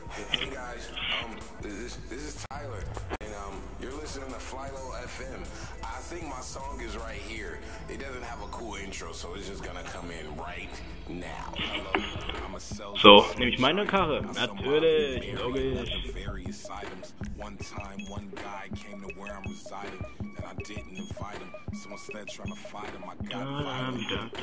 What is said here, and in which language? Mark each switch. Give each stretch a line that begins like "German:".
English: Hey, guys, this is Tyler, and you're listening to Fly Low FM. I think my song is right here. It doesn't have a cool intro, so it's just gonna come in right now.
German: So, nehme ich meine Karre. Natürlich, logisch.
English: One time, one guy came to where I'm residing, and I didn't invite him. Someone instead trying to fight him, I got violent.